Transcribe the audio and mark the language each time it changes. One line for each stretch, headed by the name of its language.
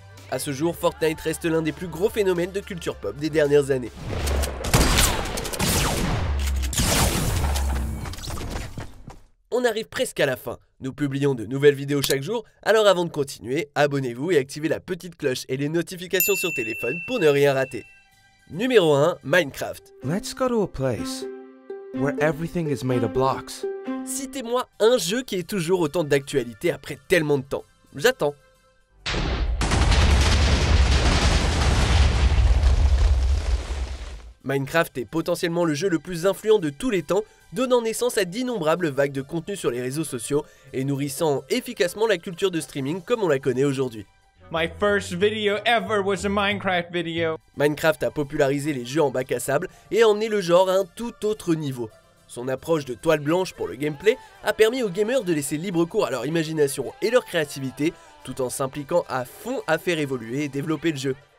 French: A ce jour, Fortnite reste l'un des plus gros phénomènes de culture pop des dernières années. On arrive presque à la fin. Nous publions de nouvelles vidéos chaque jour, alors avant de continuer, abonnez-vous et activez la petite cloche et les notifications sur téléphone pour ne rien rater. Numéro 1, Minecraft.
English: Let's go to a place where everything is made of blocks.
French: Citez-moi un jeu qui est toujours autant d'actualité après tellement de temps. J'attends. Minecraft est potentiellement le jeu le plus influent de tous les temps, donnant naissance à d'innombrables vagues de contenu sur les réseaux sociaux et nourrissant efficacement la culture de streaming comme on la connaît aujourd'hui.
English: My first video ever was a Minecraft video.
French: Minecraft a popularisé les jeux en bac à sable et a emmené le genre à un tout autre niveau. Son approche de toile blanche pour le gameplay a permis aux gamers de laisser libre cours à leur imagination et leur créativité, tout en s'impliquant à fond à faire évoluer et développer le jeu.